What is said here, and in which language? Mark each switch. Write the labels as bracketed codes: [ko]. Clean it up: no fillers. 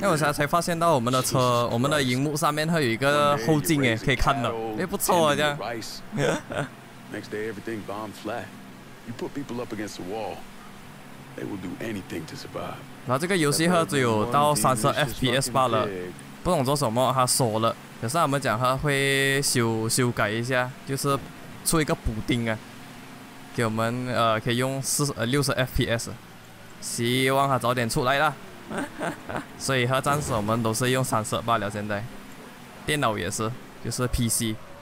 [zh] 因为我现在才发现到我们的车，我们的荧幕上面还有一个后镜耶，可以看的。哎，不错啊，这样。 [en] Next day, everything bombed flat. You put people up against the wall, they will do anything to survive. [zh] 那这个游戏它只有到30fps 罢了，不懂做什么，它锁了。可是他们讲它会修改一下，就是出一个补丁啊，给我们可以用60fps。希望它早点出来啦。所以它暂时我们都是用30罢了，现在电脑也是，就是 PC。